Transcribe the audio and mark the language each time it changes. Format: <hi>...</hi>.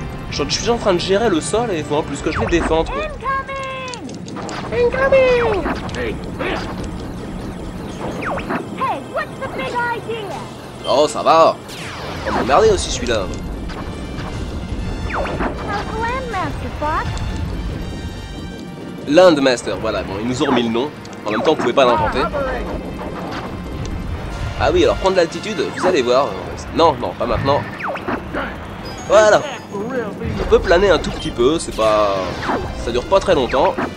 <fr>Je suis en train de gérer le sol et il faut en plus que je vais défendre.</fr> <en>Incoming! Incoming! Hey, what's the big idea?</en> <fr>Oh, ça va! On va emmerder aussi celui-là.</fr> <en>How's the Landmaster, Fox?</en> <fr>Landmaster, voilà, bon, ils nous ont remis le nom. En même temps, on pouvait pas l'inventer. Ah oui, alors prendre l'altitude, vous allez voir. Non, non, pas maintenant. Voilà! On peut planer un tout petit peu, c'est pas... Ça dure pas très longtemps.</fr>